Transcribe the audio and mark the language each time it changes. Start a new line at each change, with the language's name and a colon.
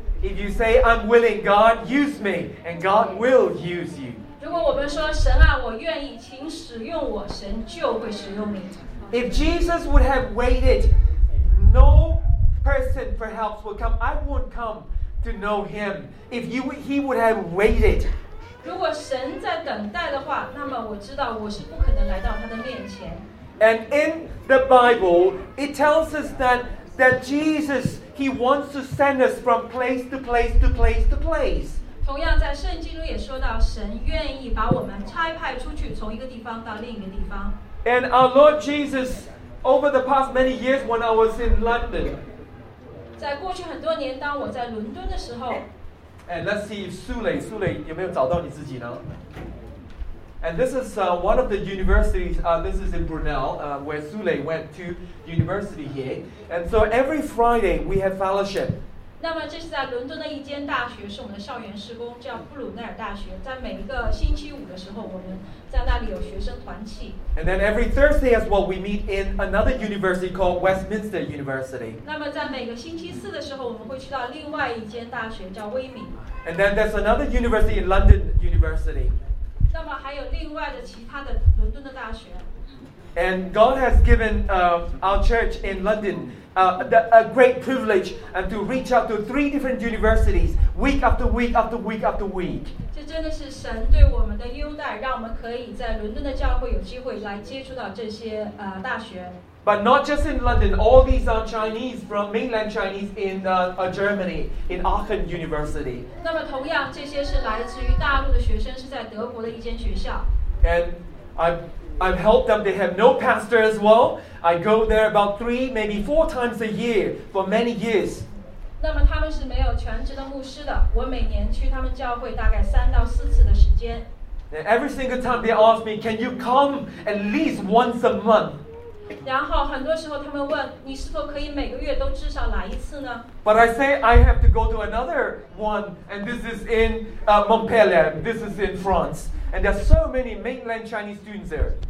English: If you say, I'm willing, God, use me, and God will use you.
Chinese: 如果我们说神啊，我愿意，请使用我，神就会使用你。
English: If Jesus would have waited, no person for help would come. I won't come to know him. If you, he would have waited.
Chinese: 如果神在等待的话，那么我知道我是不可能来到他的面前。
English: And in the Bible, it tells us that Jesus, he wants to send us from place to place to place to place.
Chinese: 同样在圣经中也说到，神愿意把我们差派出去，从一个地方到另一个地方。
English: And our Lord Jesus, over the past many years, when I was in London,
Chinese: 在过去很多年，当我在伦敦的时候
English: ，And let's see,
Chinese: 苏磊有没有找到你自己呢？
English: And this is one of the universities. This is in Brunel, where 苏磊 went to university here. And so every Friday we have fellowship.
Chinese: 那么这是在伦敦的一间大学，是我们的校园施工，叫布鲁奈尔大学。在每一个星期五的时候，我们在那里有学生团契。
English: And then every Thursday as well, we meet in another university called Westminster University.
Chinese: 那么在每个星期四的时候，我们会去到另外一间大学，叫威敏。
English: And then there's another university in London University.
Chinese: 那么还有另外的其他的伦敦的大学。
English: And God has given our church in London a great privilege and to reach out to three different universities week after week after week after week.
Chinese: 这真的是神对我们的优待，让我们可以在伦敦的教会有机会来接触到这些大学。
English: But not just in London, all these are Chinese from mainland Chinese in Germany, in Aachen University.
Chinese: 那么同样，这些是来自于大陆的学生，是在德国的一间学校。
English: And I've helped them. They have no pastor as well. I go there about three, maybe four times a year for many years.
Chinese: 那么他们是没有全职的牧师的。我每年去他们教会大概三到四次的时间。
English: And every single time they ask me, can you come at least once a month?
Chinese: 然后很多时候他们问，你是否可以每个月都至少来一次呢？
English: But I say, I have to go to another one, and this is in Montpellier. This is in France. And there are so many mainland Chinese students there.